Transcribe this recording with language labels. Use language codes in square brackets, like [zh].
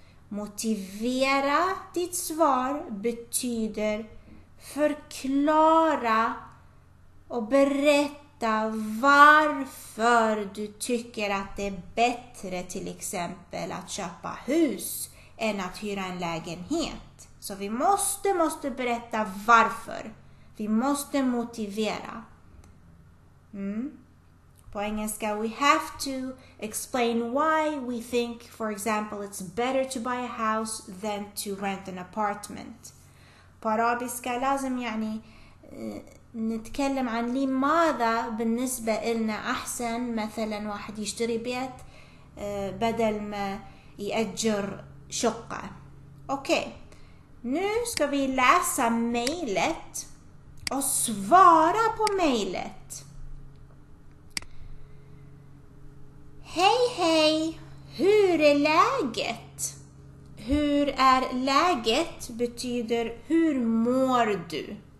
[sv] Motivera ditt svar betyder förklara och berätta varför du tycker att det är bättre till exempel att köpa hus än att hyra en lägenhet. Så vi måste berätta varför. Vi måste motivera. På engelska, [en] we have to explain why we think, for example, it's better to buy a house than to rent an apartment. [sv] På arabiska [ar] لازم يعني نتكلم عن لماذا بالنسبة إلنا أحسن مثلا واحد يشتري بيت بدل ما يأجر شقة. [sv] Okay, nu ska vi läsa mejlet och svara på mejlet. Hej, hej! Hur är läget? Hur är läget betyder hur mår du?